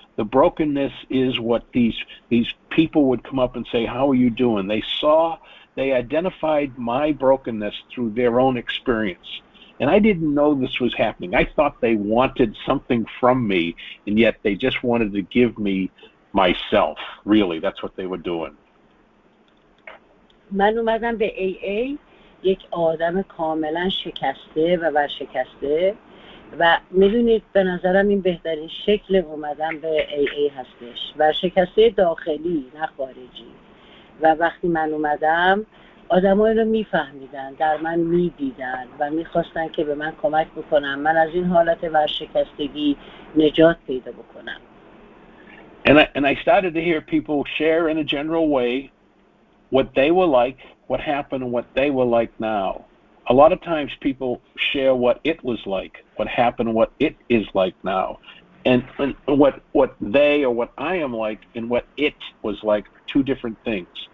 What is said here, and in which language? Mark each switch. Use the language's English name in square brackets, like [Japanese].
[English] The brokenness is what these people would come up and say, how are you doing? They identified my brokenness through their own experience. And I didn't know this was happening. I thought they wanted something from me, and yet they just wanted to give me myself, really. That's what they were doing. [Persian] من اومدم به AA یک آدم کاملا شکسته و ورشکسته و میدونید به نظرم این بهترین شکل اومدم به AA هستش. ورشکسته داخلی نه خارجی. و وقتی من اومدم آدم های رو میفهمیدن، در من میدیدن و میخواستن که به من کمک بکنم، من از این حالت ورشکستگی نجات پیدا بکنم. [English] And I started to hear people share in a general way what they were like, what happened, and what they were like now. A lot of times people share what it was like, what happened, what it is like now. And what they or what I am like and what it was like are two different things.